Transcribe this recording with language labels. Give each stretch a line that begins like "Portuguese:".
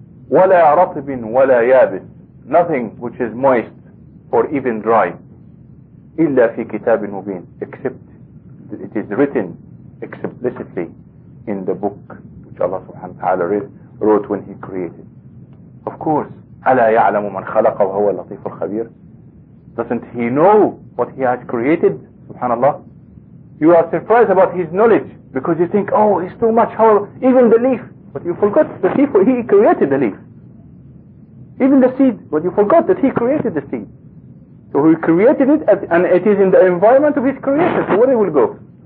Arabic: وَلَا رَطِبٍ وَلَا يَابِسٍ.
English: Nothing which is moist or even dry,
Arabic: إلا في كتاب مبين,
English: except it is written explicitly in the book which Allah subhanahu wa ta'ala wrote when He created. Of course,
Arabic: ألا يعلم من خلق وهو اللطيف الخبير.
English: Doesn't He know what He has created? Subhanallah. You are surprised about His knowledge because you think, oh, it's too much. How even the leaf? But you forgot the leaf. He created the leaf. Even the seed, but you forgot that He created the seed. So He created it, and it is in the environment of His creation. So where it will go?